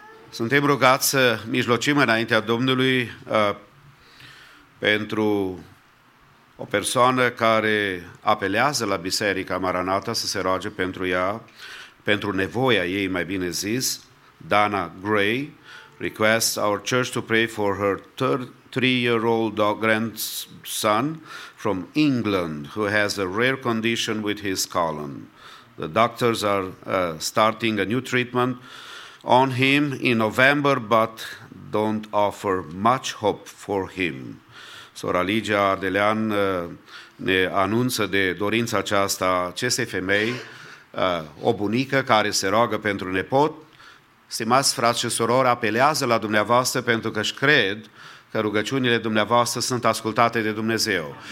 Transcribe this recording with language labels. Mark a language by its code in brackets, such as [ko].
[ro] Suntem rugați să mijlocim înaintea Domnului pentru o persoană care apelează la Biserica Maranata să se roage pentru ea, pentru nevoia ei, mai bine zis, Dana Gray, [en] requests our church to pray for her 3-year-old grandson from England who has a rare condition with his colon. The doctors are starting a new treatment on him in November, but don't offer much hope for him. [ro] Sora Ligia Ardelean ne anunță de dorința aceasta acestei femei, o bunică care se roagă pentru nepot. Stimați frați și surori, apelează la dumneavoastră pentru că își cred că rugăciunile dumneavoastră sunt ascultate de Dumnezeu.